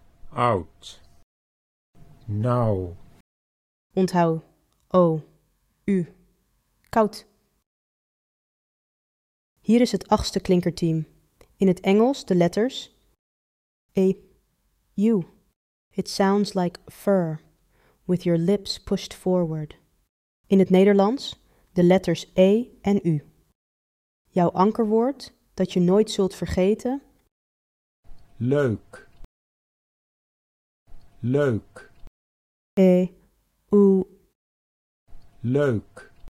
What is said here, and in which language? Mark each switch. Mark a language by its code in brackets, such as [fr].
[nl] Oud. Nou. Onthoud. O. U. Koud. Hier is het 8e klinkerteam. In het Engels de letters A, U. [en] It sounds like fur, with your lips pushed forward. [nl] In het Nederlands de letters E en U. Jouw ankerwoord dat je nooit zult vergeten. Leuk. Leuk. E, U. Leuk.